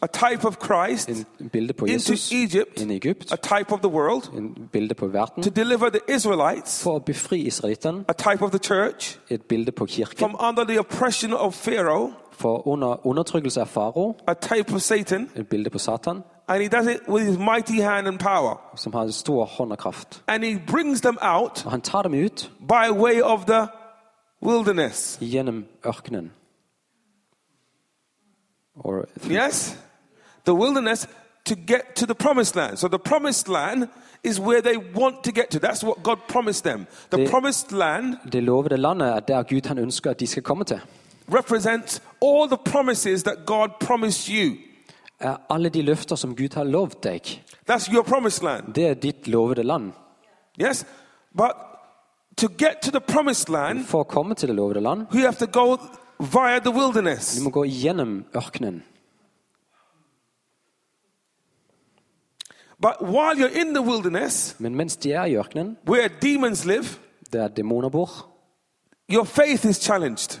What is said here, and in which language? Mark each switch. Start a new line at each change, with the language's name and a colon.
English: a type of Christ,
Norwegian: en bilde på
English: into Jesus, Egypt, in Egypt, a type of the world,
Norwegian: en bilde på verden,
English: to deliver the Israelites,
Norwegian: for å befri Israeliten,
English: a type of the church,
Norwegian: et bilde på kirken,
English: from under the oppression of Pharaoh,
Norwegian: for under undertrykkelse av Pharaoh,
English: a type of Satan,
Norwegian: et bilde på Satan,
English: and he does it with his mighty hand and power,
Norwegian: som har stor hånd og kraft,
English: and he brings them out,
Norwegian: og han tar dem ut,
English: by way of the wilderness,
Norwegian: gjennom ørkenen.
English: Or yes, the wilderness to get to the promised land. So the promised land is where they want to get to. That's what God promised them. The promised land.
Norwegian: De lovede landet er der Gud han ønsker at de skal komme til.
English: Represents all the promises that God promised you.
Norwegian: Er alle de løfter som Gud har lovet deg.
English: That's your promised land.
Norwegian: Det er ditt lovede land.
English: Yes, but to get to the promised land.
Norwegian: For å komme til det lovede land.
English: You have to go. Via the wilderness.
Norwegian: Du må gå gjennom ørkenen.
English: But while you're in the wilderness,
Norwegian: men mens de I ørkenen,
English: where demons live,
Norwegian: der demoner bor,
English: your faith is challenged.